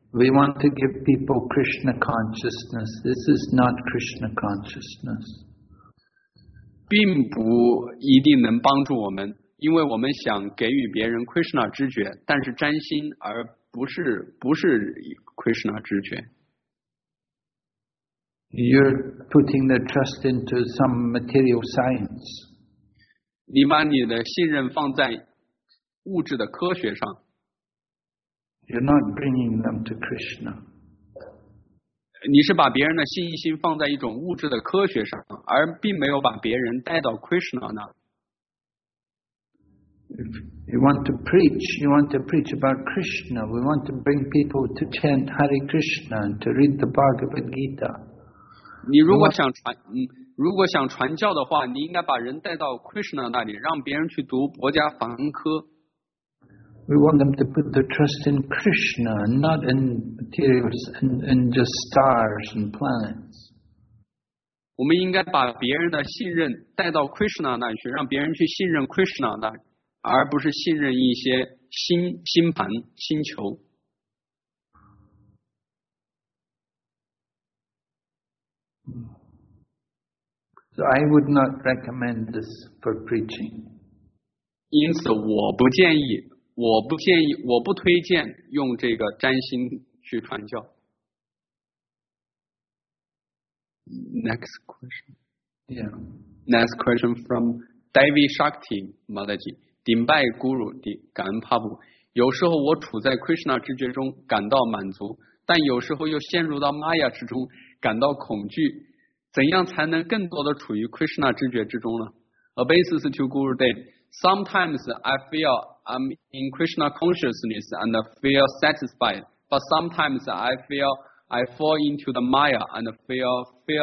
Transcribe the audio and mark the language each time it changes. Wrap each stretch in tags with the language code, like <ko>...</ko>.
<en>We want to give people Krishna consciousness. This is not Krishna consciousness.</en> <zh>并不一定能帮助我们，因为我们想给予别人 Krishna 知觉，但是占星而不是 Krishna 知觉。</zh> <en>You're putting the trust into some material science.</en> <zh>你把你的信任放在物质的科学上。</zh> <en>You're not bringing them to Krishna.</en> <zh>你是把别人的信心放在一种物质的科学上，而并没有把别人带到 Krishna 那。</zh> <en>If you want to preach, you want to preach about Krishna. We want to bring people to chant Hare Krishna and to read the Bhagavad Gita.</en> <zh>你如果想传，如果想传教的话，你应该把人带到 Krishna 那里，让别人去读《博迦梵科》。</zh> <en>We want them to put their trust in Krishna, not in materials and in just stars and planets.</en> <zh>我们应该把别人的信任带到 Krishna 那里去，让别人去信任 Krishna 那里，而不是信任一些星盘、星球。</zh> <en>So I would not recommend this for preaching.</en> <zh>因此，我不建议。我不建议，我不推荐用这个占星去传教。</zh> <en>Next question. Yeah. Next question from Devi Shakti Madaji.</en> <zh>顶拜 Guru 的感恩帕布。有时候我处在 Krishna 知觉中感到满足，但有时候又陷入到 Maya 之中感到恐惧。怎样才能更多的处于 Krishna 知觉之中呢？</zh> <en>A basis to Guru Dev. Sometimes I feel. I'm in Krishna consciousness and feel satisfied, but sometimes I feel I fall into the Maya and feel.</en>